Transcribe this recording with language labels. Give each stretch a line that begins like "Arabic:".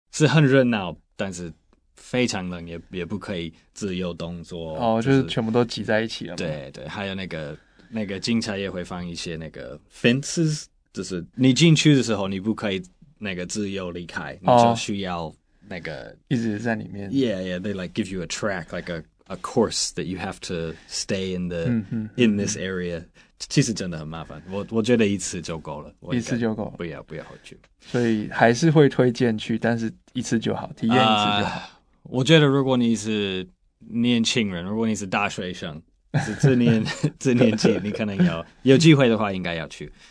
Chinese: 是很热闹，但是非常冷，也不可以自由动作。哦，就是全部都挤在一起了。对对，还有那个警察也会放一些那个 fences， 就是你进去的时候你不可以那个自由离开，哦、你就需要那个一直在里面。
English: Yeah, yeah, they like give you a track, like a course that you have to stay in the、
Chinese: 嗯、
English: in this area。
Chinese: 其实真的很麻烦，我觉得一次就够了，一次就够，不要回去，所以还是会推荐去，但是一次就好，体验一次就好。我觉得如果你是年轻人，如果你是大学生，是这年纪，你可能有机会的话，应该要去。